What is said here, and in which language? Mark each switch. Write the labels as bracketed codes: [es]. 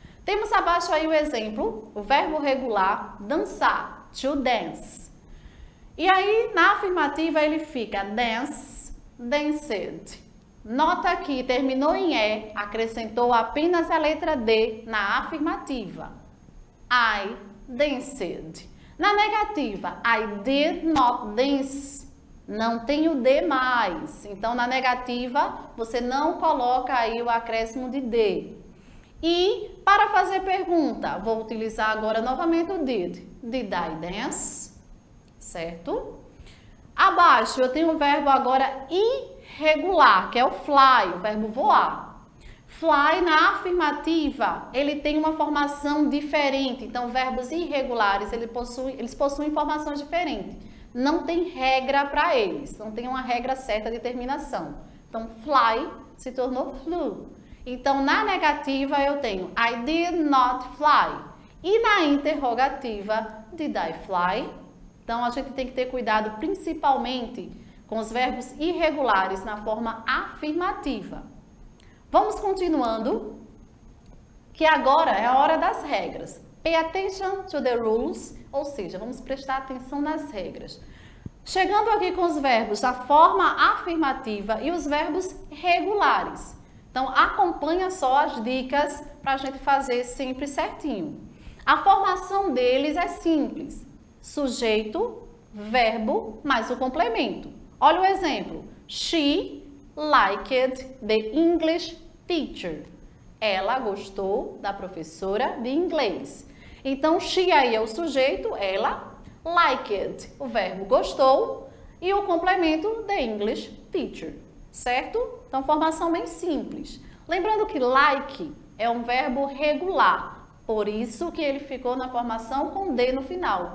[pt] Temos abaixo aí o exemplo, o verbo regular, dançar, to dance. E aí, na afirmativa, ele fica dance, danced. Nota que terminou em E, acrescentou apenas a letra D na afirmativa. [en] I danced. [pt] Na negativa, [en] I did not dance. [pt] Não tem o D mais. Então, na negativa, você não coloca aí o acréscimo de D. E para fazer pergunta, vou utilizar agora novamente o did. [en] Did I dance? [pt] Certo? Abaixo, eu tenho o verbo agora irregular, que é o fly, o verbo voar. Fly, na afirmativa, ele tem uma formação diferente. Então, verbos irregulares, eles possuem formações diferentes. Não tem regra para eles, não tem uma regra certa de terminação. Então, fly se tornou flew. Então, na negativa, eu tenho [en] I did not fly. [pt] E na interrogativa, [en] did I fly? [pt] Então, a gente tem que ter cuidado principalmente com os verbos irregulares na forma afirmativa. Vamos continuando, que agora é a hora das regras. [en] Pay attention to the rules, [pt] ou seja, vamos prestar atenção nas regras. Chegando aqui com os verbos da forma afirmativa e os verbos regulares. Então, acompanha só as dicas para a gente fazer sempre certinho. A formação deles é simples. Sujeito, verbo, mais o complemento. Olha o exemplo. [en] She liked the English teacher. [pt] Ela gostou da professora de inglês. Então, she aí é o sujeito, ela, liked, o verbo gostou, e o complemento, [en] the English teacher, [pt] certo? Então, formação bem simples. Lembrando que like é um verbo regular, por isso que ele ficou na formação com D no final.